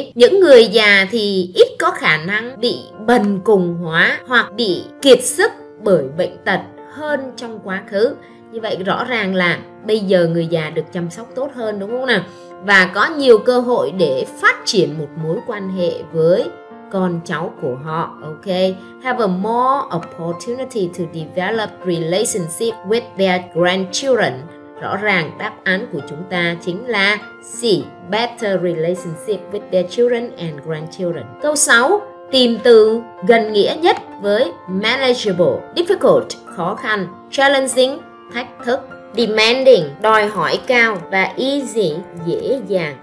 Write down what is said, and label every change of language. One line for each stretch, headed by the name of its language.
Vietnamese: Những người già thì ít có khả năng bị bần cùng hóa hoặc bị kiệt sức bởi bệnh tật hơn trong quá khứ. Như vậy rõ ràng là bây giờ người già được chăm sóc tốt hơn, đúng không nào? Và có nhiều cơ hội để phát triển một mối quan hệ với con cháu của họ, ok?
English: Have a more opportunity to develop relationship with their grandchildren.
Vietnamese: Rõ ràng đáp án của chúng ta chính là C.
English: Better relationship with their children and grandchildren.
Vietnamese: Câu 6. Tìm từ gần nghĩa nhất với manageable, difficult, khó khăn, challenging, thách thức, demanding, đòi hỏi cao, và easy, dễ dàng.